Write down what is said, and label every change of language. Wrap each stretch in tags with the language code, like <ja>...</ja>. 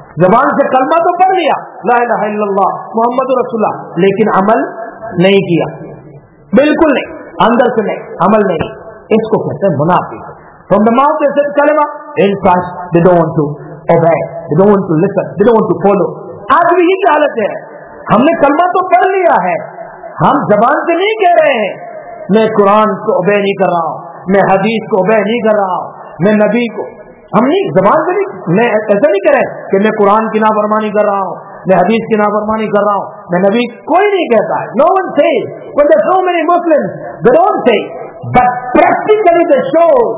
<ur>زبان سے کلمہ تو پڑھ لیا لا الہ الا اللہ محمد رسول اللہ, لیکن عمل نہیں کیا, بالکل نہیں, اندر سے نہیں, عمل نہیں, اس کو کہتے ہیں منافق.</ur> <en>From the mouth they said kalima, in fact they don't want to obey, they don't want to listen, they don't want to follow.</en> <ur>آج بھی یہی حالت ہے, ہم نے کلمہ تو پڑھ لیا ہے, ہم زبان سے نہیں کہہ رہے ہیں میں قرآن کو obey نہیں کر رہا ہوں, میں حدیث کو obey نہیں کر رہا ہوں, میں نبی کو, ہم نہیں زبان سے نہیں, میں ایسا نہیں کہہ رہے کہ میں قرآن کی نافرمانی کر رہا ہوں, میں حدیث کی نافرمانی کر رہا ہوں, میں نبی, کوئی نہیں کہتا ہے, no one says, but there are so many Muslims, they don't say, but practically they show.</ur>